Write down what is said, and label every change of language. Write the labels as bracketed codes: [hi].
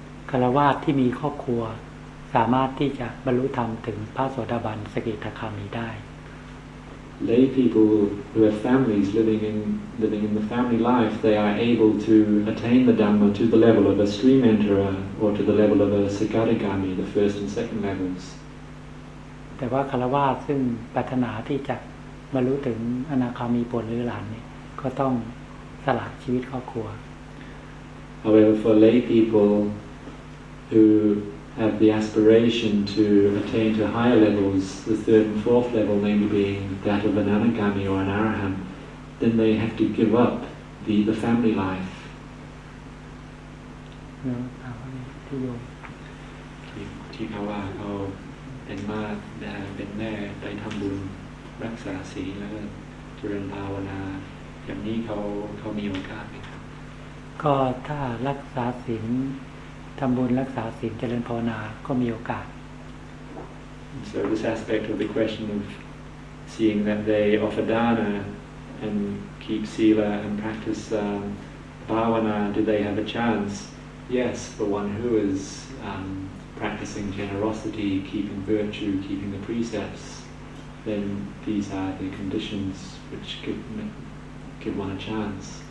[th] คารวาสที่มีครอบครัวสามารถที่จะบรรลุธรรมถึงพระโสดาบันสกิทาคามีได้ [en] Lay people who have families living in the family life, they are able to attain the Dhamma to the level of a stream enterer or to the level of a Sakadagami, the first and second levels. [th] แต่ว่าคารวาสซึ่งปรารถนาที่จะบรรลุถึงอนาคามีผลหรือหลานนี่ก็ต้องสละชีวิตครอบครัว [en] However, for lay people who have the aspiration to attain to higher levels, the third and fourth level, namely being that of an anagami or an arahant, then they have to give up the family life. No, how many do? [th] ที่เขาว่าเขาเป็นมาเป็นแม่ได้ทำบุญรักษาศีลแล้วก็จริญภาวนาอย่างนี้เขามีโอกาสไหม ก็ถ้ารักษาศีลทำบุญรักษาศีลเจริญภาวนาก็มีโอกาส [en] So this aspect of the question of seeing that they offer dana and keep sila and practice bhavana, do they have a chance? Yes, for one who is practicing generosity, keeping virtue, keeping the precepts, then these are the conditions which give one a chance.